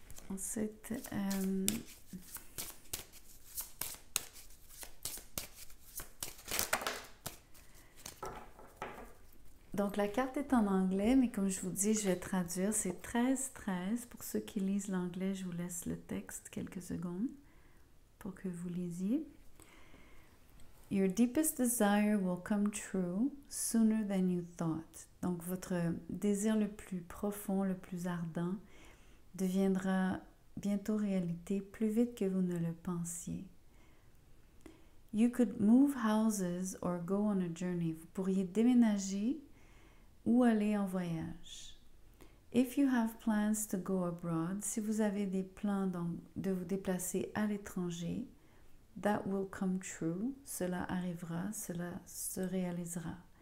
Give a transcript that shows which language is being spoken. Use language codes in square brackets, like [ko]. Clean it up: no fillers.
[fr] Ensuite, donc la carte est en anglais, mais comme je vous dis, je vais traduire, c'est 13-13. Pour ceux qui lisent l'anglais, je vous laisse le texte quelques secondes pour que vous lisiez. [en] Your deepest desire will come true sooner than you thought. [fr] Donc, votre désir le plus profond, le plus ardent, deviendra bientôt réalité plus vite que vous ne le pensiez. [en] You could move houses or go on a journey. [fr] Vous pourriez déménager ou aller en voyage. [en] If you have plans to go abroad, [fr] si vous avez des plans donc, de vous déplacer à l'étranger, [en] that will come true, [fr] cela arrivera, cela se réalisera.